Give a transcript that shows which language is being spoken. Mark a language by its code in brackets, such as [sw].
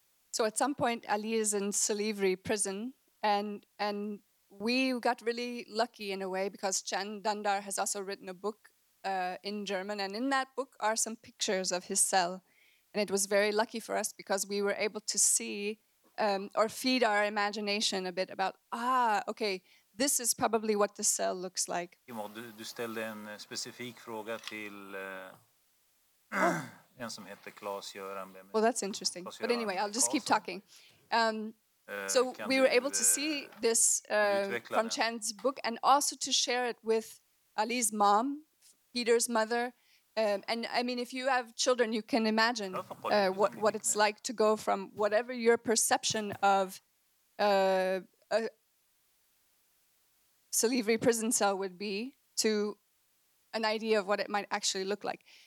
[en] So at some point, Ali is in slavery prison, and we got really lucky in a way, because Can Dündar has also written a book in German, and in that book are some pictures of his cell. And it was very lucky for us because we were able to see or feed our imagination a bit about, okay, this is probably what the cell looks like. [sv] Du ställde en specifik fråga till en som heter Klas-Göran. [en] Well, that's interesting. But anyway, I'll just keep talking. So we were able to see this from Chan's book, and also to share it with Ali's mom, Peter's mother. And I mean, if you have children, you can imagine what it's like to go from whatever your perception of a slavery prison cell would be to an idea of what it might actually look like.